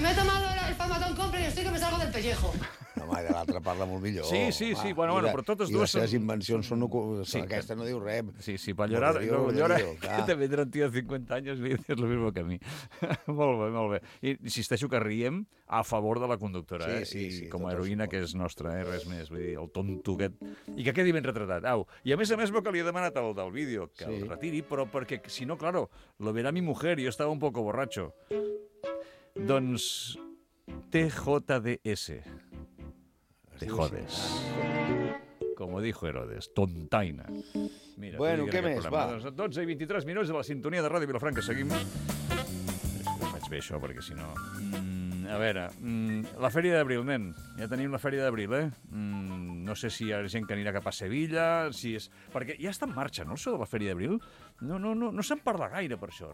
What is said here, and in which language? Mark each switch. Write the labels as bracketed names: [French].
[Spanish] Que me he tomado el famatón compre y estoy que me salgo del pellejo. [Catalan] La mare, l'altra parla molt millor. Sí, sí, sí. Bueno, bueno, però totes dues són... I les seves invencions són... Sí, aquesta no diu res. Sí, sí, per llorar... No, llora, que te vendrà un tio de 50 anys i dius [Spanish] lo mismo que a mi. [Catalan] Molt bé, molt bé. I insisteixo que riem a favor de la conductora, sí, sí, sí, com a heroïna que és nostra, res més. Vull dir, el tonto aquest... I que quedi ben retratat. Au. I a més, veu que li he demanat al del vídeo que el retiri, però perquè, si no, [Spanish] claro, lo verá mi mujer y yo estaba un poco borracho. [Catalan] Doncs... [Spanish] TJDS... Te jodes. Como dijo Herodes, tontaina. [Catalan] Mira, bueno, ¿qué més, va? 12 i 23 minuts de la sintonia de Ràdio Vilafranca. Seguim. Ho faig bé, això, perquè si no... A veure, la fèria d'abril, nen. Ja tenim la fèria d'abril, eh? No sé si hi ha gent que anirà cap a Sevilla, si és... Perquè ja està en marxa, no, això de la fèria d'abril? No se'n parla gaire, per això.